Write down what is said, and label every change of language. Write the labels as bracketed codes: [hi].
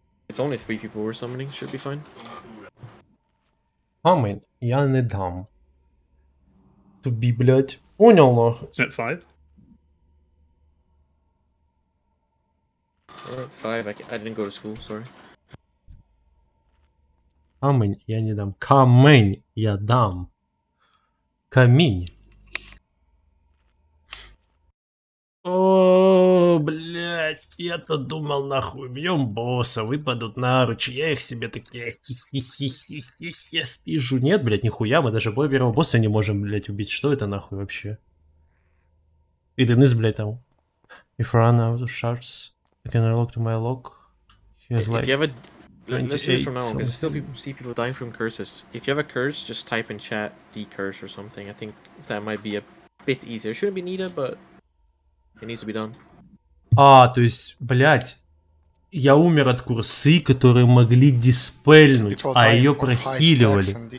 [en] It's only 3 people we're summoning, should be fine. [ru] Камень, я не дам. Туби, блять. Понял, но... [en] Is it five? Five, I didn't go to school, sorry. [ru] Камень, я не дам. Камень, я дам. Камень. О, блять, я-то думал, нахуй, бьем босса, выпадут наручи, я их себе такие, я спижу. Нет, блять, нихуя, мы даже бой первого босса не можем, блять, убить. Что это нахуй вообще? И Денис, блять, там. [en] If I run out of shards, I can unlock to my lock. He has like... Let's do this from now on, because I still see people dying from curses. If you have a curse, just type in chat the curse or something. I think that might be a bit easier. It shouldn't be needed, but it needs to be done. [ru] А, то есть, блять, я умер от курсы, которые могли диспельнуть, а ее прохиливали.